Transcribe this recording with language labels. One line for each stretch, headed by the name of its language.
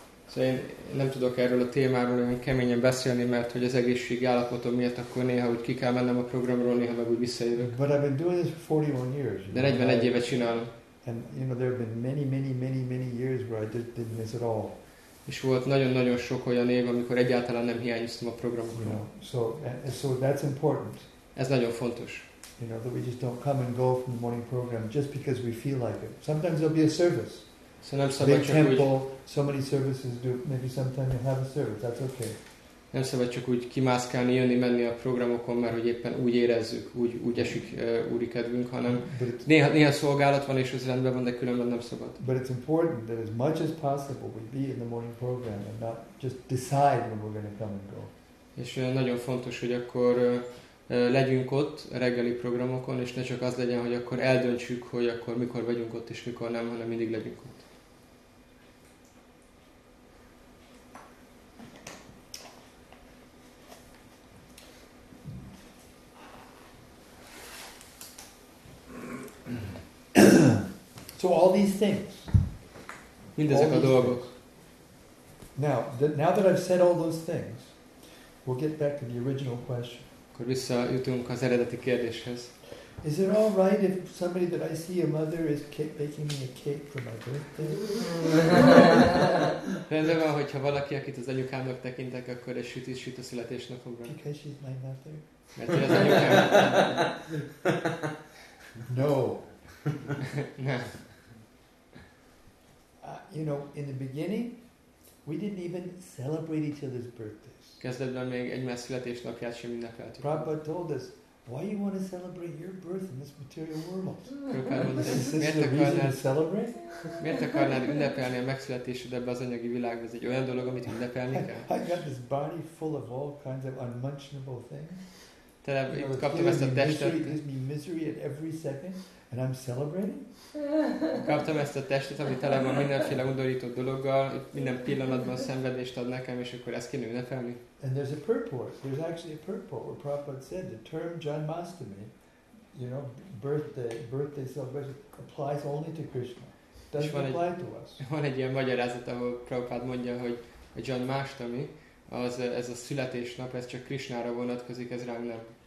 Hungarian: So én nem tudok erről a témáról olyan keményen beszélni, mert hogy az egészségi állapotom miatt akkor néha úgy ki kell mennem a programról, néha meg úgy visszajövök.
English: But I've been doing this for 41 years.
Hungarian: De 41 éve csinálom.
English: And you know there have been many years where I didn't miss at all.
Hungarian: És volt nagyon sok olyan év, amikor egyáltalán nem hiányoztam a programokról.
English: You know, so that's important.
Hungarian: Ez nagyon fontos.
English: You know that we just don't come and go from the morning program just because we feel like it. Sometimes there'll be a service.
Hungarian: So nem szabad csak
English: temple,
Hungarian: úgy.
English: So many services do. Maybe sometime you'll have a service. That's okay.
Hungarian: Nem szabad csak úgy kimászkálni, jönni, menni a programokon, mert hogy éppen úgy érezzük, úgy esik úri kedvünk, hanem néha szolgálat van, és ez rendben van, de különben nem szabad.
English: But it's important that as much as possible we be in the morning program and not just decide when we're going to come and go.
Hungarian: És nagyon fontos, hogy akkor legyünk ott a reggeli programokon, és ne csak az legyen, hogy akkor eldöntsük, hogy akkor mikor vagyunk ott, és mikor nem, hanem mindig legyünk ott.
English: So all these things.
Hungarian: Mindezek a dolgok.
English: Now that I've said all those things, we'll get back to the original question.
Hungarian: Akkor visszajutunk az eredeti kérdéshez.
English: Is it all right if somebody that I see, a mother, is baking me a cake for my birthday?
Hungarian: Rendben van, hogyha valaki, akit az anyukámnak tekintek, akkor egy sütit süt a születésnapomra.
English: Because she's my mother.
Hungarian: Mert az anyukám.
English: No.
Hungarian: Nem.
English: You know, in the beginning, we didn't even celebrate each other's birthdays.
Hungarian: Kezdetben még egymás születésnapját sem ünnepeltük.
English: Prabhupada told us, why you want to celebrate your birth in this material world?
Hungarian: Miért akarnád ünnepelni a megszületésed ebbe az anyagi világban? Ez egy olyan dolog, amit ünnepelni kell?
English: I got this body full of all kinds of unmentionable things. Kaptam ezt a testet. It gives me misery at every second. And I'm celebrating?
Hungarian: Kaptam ezt a testet, ami tele van mindenféle undorító dologgal, minden pillanatban szenvedést ad nekem, és akkor ezt kéne ünnepelni.
English: And there's a purport. There's actually a purport where Prabhupada said the term Janmashtami, you know, birthday celebration, applies only to Krishna. Doesn't apply to us.
Hungarian: Van egy ilyen magyarázat, ahol Prabhupada mondja, hogy a Janmashtami, ez a születésnap, ez csak Krishnára vonatkozik, ez ránk nem.